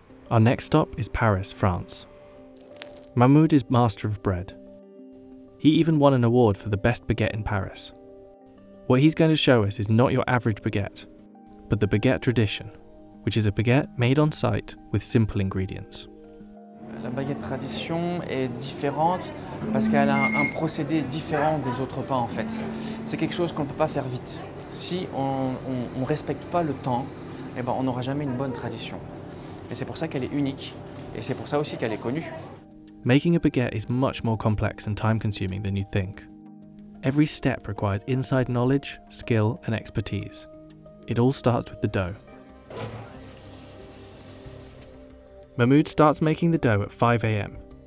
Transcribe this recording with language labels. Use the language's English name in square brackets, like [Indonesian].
[English] Our next stop is Paris, France. Mahmoud is master of bread. He even won an award for the best baguette in Paris. What he's going to show us is not your average baguette, but the baguette tradition, which is a baguette made on site with simple ingredients. [French] La baguette tradition est différente parce qu'elle a un procédé différent des autres pains en fait. C'est quelque chose qu'on ne peut pas faire vite. Si on ne respecte pas le temps, eh ben on n'aura jamais une bonne tradition. Et c'est pour ça qu'elle est unique et c'est pour ça aussi qu'elle est connue. [English] Making a baguette is much more complex and time consuming than you think. Every step requires inside knowledge, skill and expertise. It all starts with the dough. Mahmoud starts making the dough at 5 a.m.